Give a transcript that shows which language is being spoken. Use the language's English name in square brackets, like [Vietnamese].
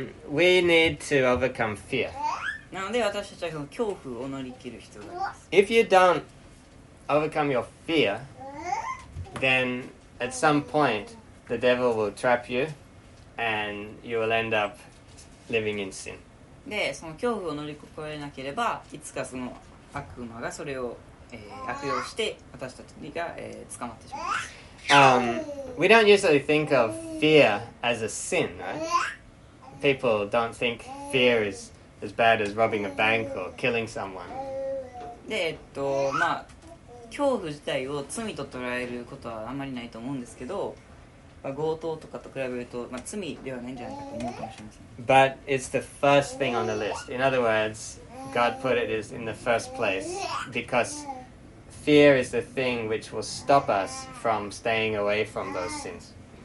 [English] we need to overcome fear. [Japanese] なので私たちはその恐怖を乗り切る必要があります。 [English] If you don't overcome your fear, then at some point the devil will trap you and you will end up living in sin. [Japanese] で、その恐怖を乗り越えなければ、いつかその悪魔がそれを、悪用して私たちが、捕まってしまいます。 [English] We don't usually think of fear as a sin, right? People don't think fear isas bad as robbing a bank or killing someone. [Japanese] で、まあ、恐怖自体を罪と捉えることはあまりないと思うんですけど、まあ、強盗とかと比べると、まあ、罪ではないんじゃないかと思うかもしれません。 [English] But it's the first thing on the list. In other words, God put it is in the first place because fear is the thing which will stop us from staying away from those sins.